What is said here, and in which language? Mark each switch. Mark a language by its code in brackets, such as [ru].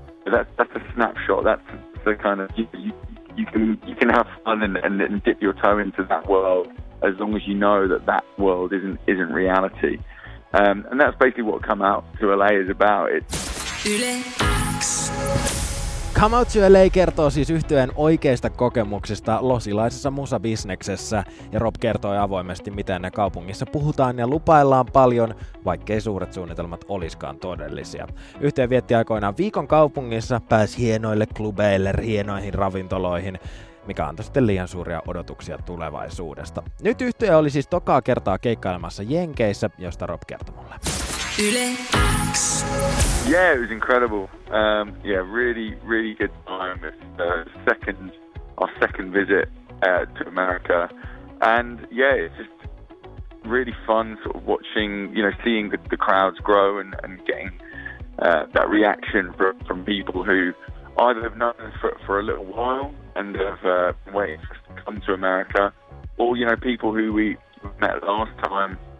[en] That's a snapshot. That's the kind of you can have fun and dip your toe into that world, as long as you know that world isn't reality. And that's basically what Come Out to LA is about. It's [fi] Come Out to LA kertoo siis yhtyeen oikeista kokemuksista losilaisessa musabisneksessä, ja Rob kertoi avoimesti, miten ne kaupungissa puhutaan ja lupaillaan paljon, vaikkei suuret suunnitelmat olisikaan todellisia. Yhtye vietti aikoinaan viikon kaupungissa, pääsi hienoille klubeille, hienoihin ravintoloihin, mikä antoi sitten liian suuria odotuksia tulevaisuudesta. Nyt yhtye oli siis tokaa kertaa keikkailemassa Jenkeissä, josta Rob kertoi mulle. [en] Yeah, it was incredible. Really, really good time. It's our second visit to America, and it's just really fun, sort of watching, seeing the crowds grow and getting that reaction from people who either have known us for a little while and have waited to come to America, or people who we met last time.